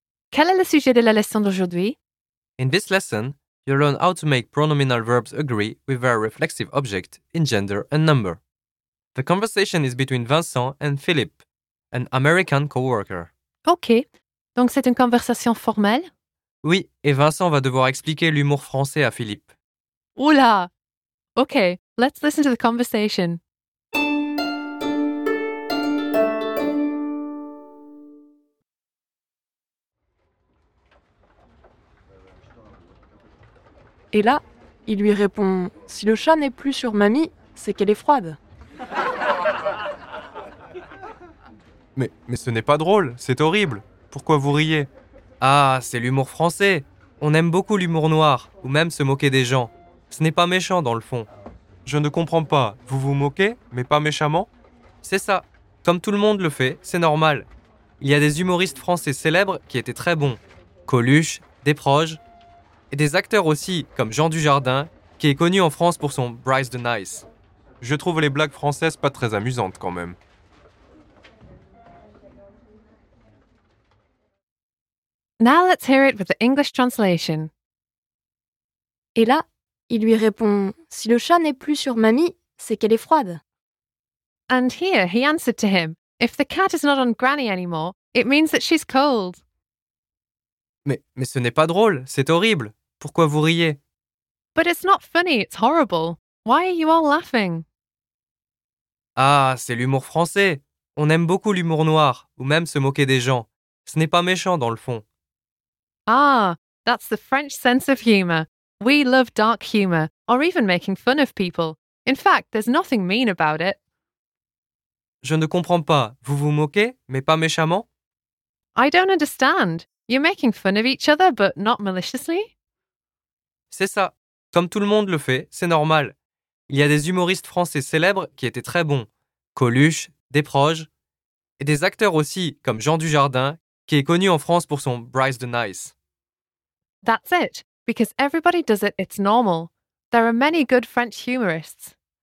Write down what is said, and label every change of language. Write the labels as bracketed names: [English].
[French] Quel est le sujet de la leçon d'aujourd'hui? [English] In this lesson, you'll learn how to make pronominal verbs agree with their reflexive object in gender and number. The conversation is between Vincent and Philippe, an American co-worker. [French] OK. Donc c'est une conversation formelle? Oui, et Vincent va devoir expliquer l'humour français à Philippe. [English] Oula! Okay, let's listen to the conversation. [French] Et là, il lui répond « Si le chat n'est plus sur mamie, c'est qu'elle est froide. » Mais ce n'est pas drôle, c'est horrible. Pourquoi vous riez? Ah, c'est l'humour français. On aime beaucoup l'humour noir, ou même se moquer des gens. Ce n'est pas méchant dans le fond. Je ne comprends pas. Vous vous moquez, mais pas méchamment? C'est ça. Comme tout le monde le fait, c'est normal. Il y a des humoristes français célèbres qui étaient très bons. Coluche, Desproges. Et des acteurs aussi, comme Jean Dujardin, qui est connu en France pour son Bryce de Nice. Je trouve les blagues françaises pas très amusantes quand même. [English] Now let's hear it with the English translation. [French] Et là, il lui répond « Si le chat n'est plus sur mamie, c'est qu'elle est froide. » [English] And here he answered to him « If the cat is not on granny anymore, it means that she's cold. » [French] Mais ce n'est pas drôle, c'est horrible. Pourquoi vous riez? [English] But it's not funny, it's horrible. Why are you all laughing? [French] Ah, c'est l'humour français. On aime beaucoup l'humour noir, ou même se moquer des gens. Ce n'est pas méchant dans le fond. [English] Ah, that's the French sense of humour. We love dark humour, or even making fun of people. In fact, there's nothing mean about it. [French] Je ne comprends pas. Vous vous moquez, mais pas méchamment? [English] I don't understand. You're making fun of each other, but not maliciously? [French] C'est ça. Comme tout le monde le fait, c'est normal. Il y a des humoristes français célèbres qui étaient très bons. Coluche, Desproges. Et des acteurs aussi, comme Jean Dujardin, qui est connu en France pour son Bryce de Nice. [English] That's it. Because everybody does it, it's normal. There are many good French humorists.